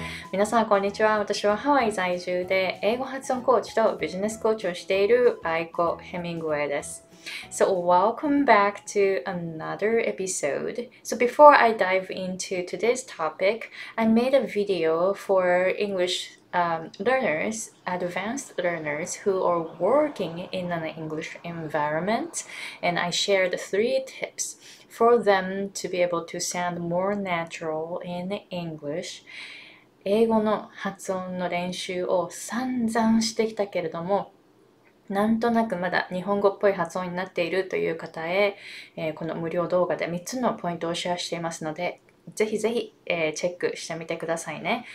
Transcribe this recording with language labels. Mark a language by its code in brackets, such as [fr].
[ja] 皆さんこんにちは。私はハワイ在住で英語発音コーチとビジネスコーチをしているアイコ・ヘミングウェイです。 [en] So welcome back to another episode. So before I dive into today's topic, I made a video for English learners, advanced learners who are working in an English environment, and I shared 3 tips for them to be able to sound more natural in English. [ja] 英語の発音の練習を散々してきたけれども、なんとなくまだ日本語っぽい発音になっているという方へ、この無料動画で3つのポイントをシェアしていますので、ぜひぜひ、チェックしてみてくださいね。